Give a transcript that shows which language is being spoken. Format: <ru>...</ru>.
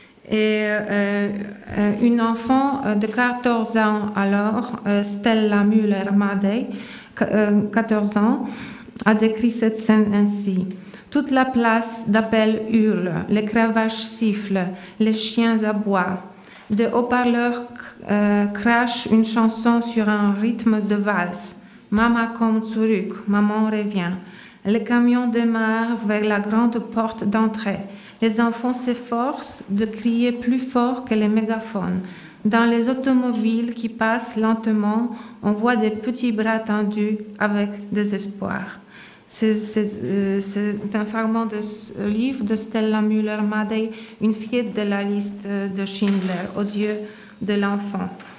<fr>Et une enfant de 14 ans alors, Stella Müller-Madey, 14 ans, a décrit cette scène ainsi. Toute la place d'appel hurle, les cravaches sifflent, les chiens aboient. Des haut-parleurs crachent une chanson sur un rythme de valse.</fr> <de>Mama komm zurück,</de> <fr>maman revient. Le camion démarre vers la grande porte d'entrée. Les enfants s'efforcent de crier plus fort que les mégaphones. Dans les automobiles qui passent lentement, on voit des petits bras tendus avec désespoir. C'est un fragment de ce livre de Stella Müller-Madey, une fillette de la liste de Schindler, aux yeux de l'enfant.</fr>